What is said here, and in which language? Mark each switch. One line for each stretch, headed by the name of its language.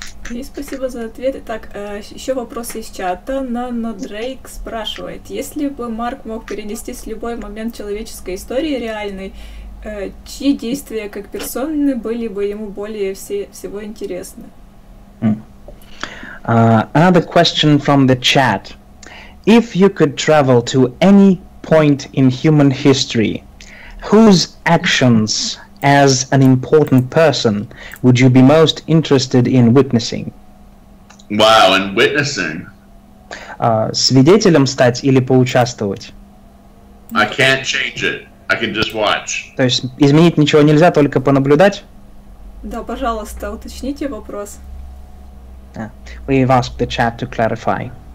Russian: И спасибо за ответ. Итак, еще вопрос из чата. Нано Дрейк спрашивает, если бы Марк мог перенестись в любой момент человеческой истории реальной, чьи действия как персоны были бы ему более всего интересны?
English: Another question from the chat. If you could travel to any point in human history, whose actions as an important person would you be most interested in witnessing? Wow, and witnessing?
Russian: Свидетелем стать или поучаствовать?
English: I can't change it. I can just watch.
Russian: То есть изменить ничего нельзя, только понаблюдать? Да, пожалуйста, уточните вопрос.
English: We've asked the chat to clarify.